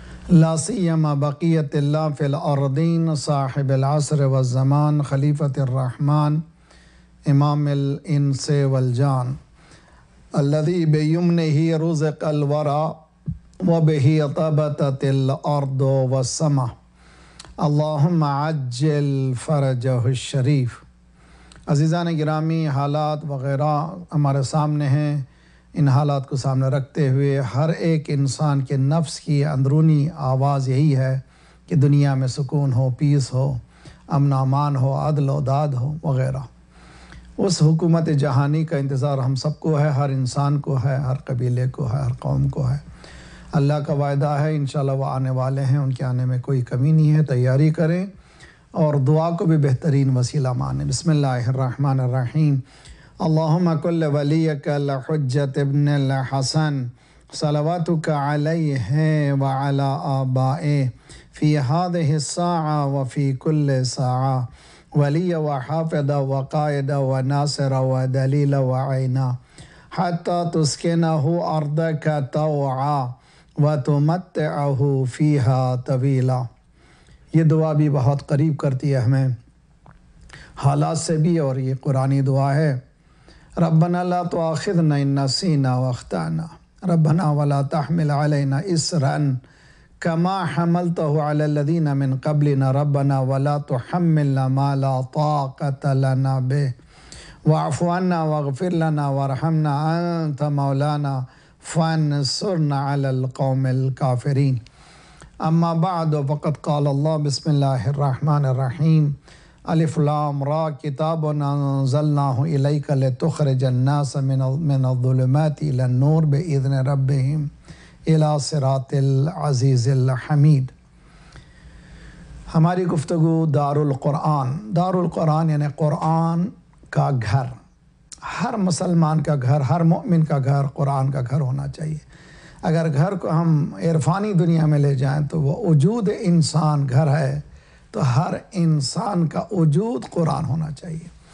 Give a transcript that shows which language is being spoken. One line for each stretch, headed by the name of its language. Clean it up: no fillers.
Arabic: لا سيما بقية الله في الأرضين صاحب العصر والزمان خليفة الرحمن إمام الإنس والجان الذي بيمنه رزق الورى وبه طبتت الأرض والسماء اللهم عجل فرجه الشريف.
Persian: عزيزان گرامی،
Urdu: حالات وغیرہ ہمارے سامنے ہیں. ان حالات کو سامنے رکھتے ہوئے ہر ایک انسان کے نفس کی اندرونی آواز یہی ہے کہ دنیا میں سکون ہو، پیس ہو، امن امان ہو، عدل و داد ہو وغیرہ. اس حکومت جہانی کا انتظار ہم سب کو ہے، ہر انسان کو ہے، ہر قبیلے کو ہے، ہر قوم کو ہے. اللہ کا وعدہ ہے، انشاءاللہ وہ آنے والے ہیں، ان کے آنے میں کوئی کمی نہیں ہے. تیاری کریں اور دعا کو بھی بہترین وسیلہ مانیں.
Arabic: بسم اللہ الرحمن الرحیم. اللهم كل وليك لحجة ابن الحسن صلواتك عليه وعلى آبائه في هذه الساعة وفي كل ساعة ولي وحافظ وقائد وناصر ودليل وعينا حتى تسكنه أرضك طوعا وتمتعه فيها طويلا.
Urdu: یہ دعا بھی بہت قریب کرتی ہے ہمیں حالات سے بھی، اور یہ قرآنی دعا ہے.
Arabic: ربنا لا تؤاخذنا ان نسينا واخطأنا، ربنا ولا تحمل علينا اسرا كما حملته على الذين من قبلنا، ربنا ولا تحملنا ما لا طاقة لنا به، واعف عنا واغفر لنا وارحمنا، انت مولانا فانصرنا على القوم الكافرين. اما بعد، فقد قال الله، بسم الله الرحمن الرحيم، الف لام را، كتاب انزلناه اليك لتخرج الناس من الظلمات الى النور باذن ربهم الى صراط العزيز الحميد.
Urdu: ہماری گفتگو دار القرآن. دار القرآن یعنی قرآن کا گھر. ہر مسلمان کا گھر، ہر مؤمن کا گھر قرآن کا گھر ہونا چاہیے. اگر گھر کو ہم عرفانی دنیا میں لے جائیں تو وہ وجود انسان گھر ہے، تو ہر انسان کا وجود قرآن ہونا چاہیے.